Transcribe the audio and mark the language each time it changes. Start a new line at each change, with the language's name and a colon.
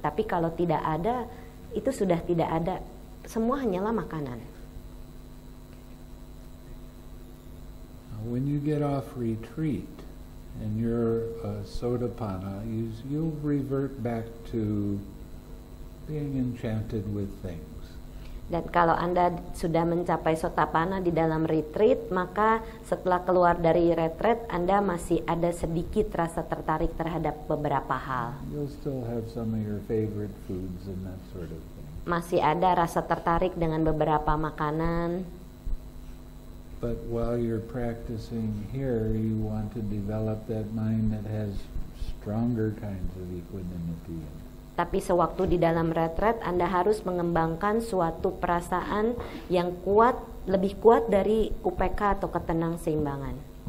Indonesian: Tapi kalau tidak ada, itu sudah tidak ada, semua hanyalah makanan.
English: When you get off retreat and you're a sotapanna, you'll revert back to being enchanted with things.
Indonesian: Dan kalau Anda sudah mencapai sotapanna di dalam retreat, maka setelah keluar dari retreat, Anda masih ada sedikit rasa tertarik terhadap beberapa hal.
English: You'll still have some of your favorite foods and that sort of thing.
Indonesian: Masih ada rasa tertarik dengan beberapa makanan.
English: But while you're practicing here, you want to develop that mind that has stronger kinds of equanimity.
Indonesian: Tapi sewaktu di dalam retret, Anda harus mengembangkan suatu perasaan yang kuat, lebih kuat dari UPK atau ketenang seimbangan.